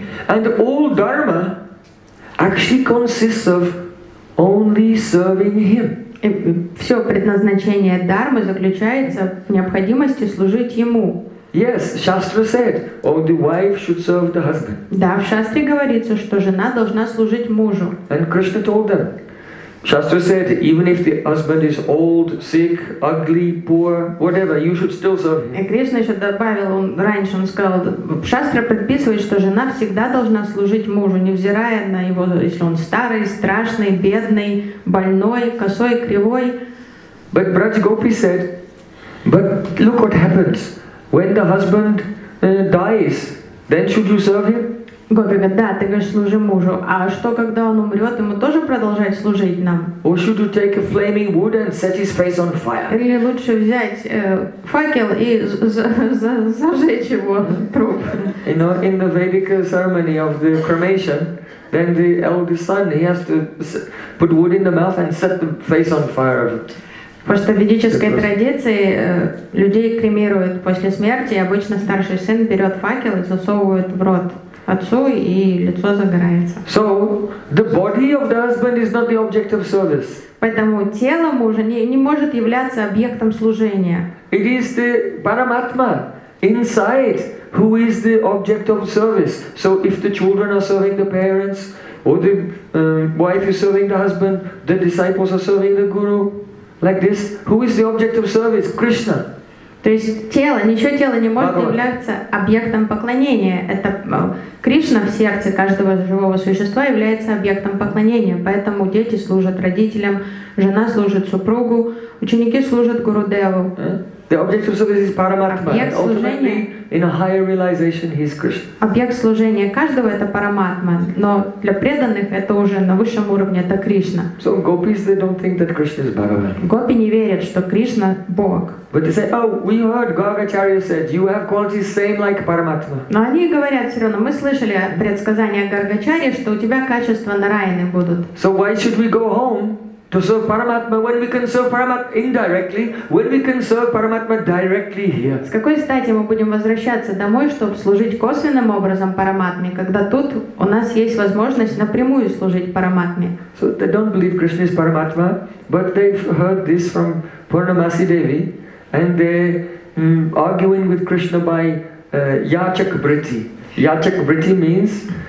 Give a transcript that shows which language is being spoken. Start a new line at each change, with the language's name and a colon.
English: And all dharma actually consists of only serving him.
Russian: И все предназначение дхармы заключается в необходимости служить ему.
English: Yes, Shastra said, or the wife should serve the husband.
Russian: Да, в Шастре говорится, что жена должна служить мужу.
English: And Krishna told them. Shastra said, even if the husband is old, sick, ugly, poor, whatever, you should still serve him.
Russian: И Кришна еще добавил, он раньше он сказал, Шастра предписывает, что жена всегда должна служить мужу, невзирая на его, если он старый, страшный, бедный, больной, косой, кривой.
English: But Braj Gopi said, but look what happens when the husband dies, then should you serve him?
Russian: Гопи говорит, да, ты говоришь, служи мужу. А что, когда он умрет, ему тоже продолжать служить нам?
English: Or should you take a flaming wood and set his face on fire?
Russian: Или лучше взять факел и зажечь его труп?
English: You know, in the Vedic ceremony of the cremation, then the eldest son, he has to put wood in the mouth and set the face on fire.
Russian: Потому что в ведической традиции людей кремируют после смерти, и обычно старший сын берет факел и засовывает в рот отцу, и лицо загорается.
English: So the body of the husband is not the object of service.
Russian: Поэтому тело мужа не может являться объектом служения.
English: It is the Paramatma inside who is the object of service. So if the children are serving the parents, or the wife is serving the husband, the disciples are serving the guru, like this, who is the object of service? Krishna.
Russian: То есть ничего тела не может являться объектом поклонения. Это Кришна в сердце каждого живого существа является объектом поклонения. Поэтому дети служат родителям, жена служит супругу, ученики служат Гурудеву.
English: The object of service is Paramatma.
Russian: Объект служения,
English: in a higher realization, he is Krishna.
Russian: Объект служения каждого — это Параматма, но для преданных это уже на высшем уровне — это Кришна.
English: So gopis, they don't think that Krishna is Bhagavan.
Russian: Гопи не верят, что Кришна — Бог.
English: But they say, oh, we heard Gagacharya said, you have qualities same like Paramatma.
Russian: Но они говорят все равно, мы слышали предсказание Гагачарьи, что у тебя качества Нараяны будут.
English: So why should we go home to serve Paramatma when we can serve Paramatma indirectly, when we can serve Paramatma directly here?
Russian: С какой стати мы будем возвращаться домой, чтобы служить косвенным образом Параматме, когда тут у нас есть возможность напрямую служить Параматме?
English: So they don't believe Krishna is Paramatma, but they've heard this from Purnamasi Devi, and they're arguing with Krishna by Yachak Vritti. Yachak Vritti means